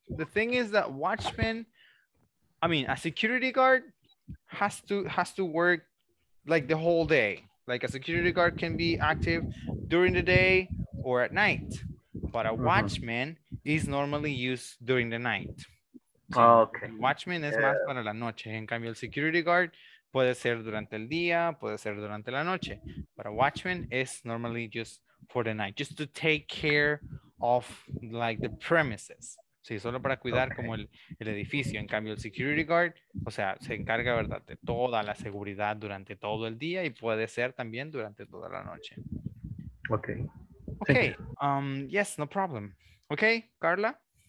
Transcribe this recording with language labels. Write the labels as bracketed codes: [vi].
[en] The thing is that watchman, I mean, a security guard has to work like the whole day. Like a security guard can be active during the day or at night. But a watchman is normally used during the night. Oh, okay. [es] Watchman es más para la noche. En cambio, el security guard puede ser durante el día, puede ser durante la noche. [en] But a watchman is normally just for the night, just to take care of like the premises. [es] Sí, solo para cuidar como el edificio. En cambio, el security guard, o sea, se encarga, ¿verdad?, de toda la seguridad durante todo el día y puede ser también durante toda la noche. [en] Okay. Okay, yes, no problem. Okay, Carla?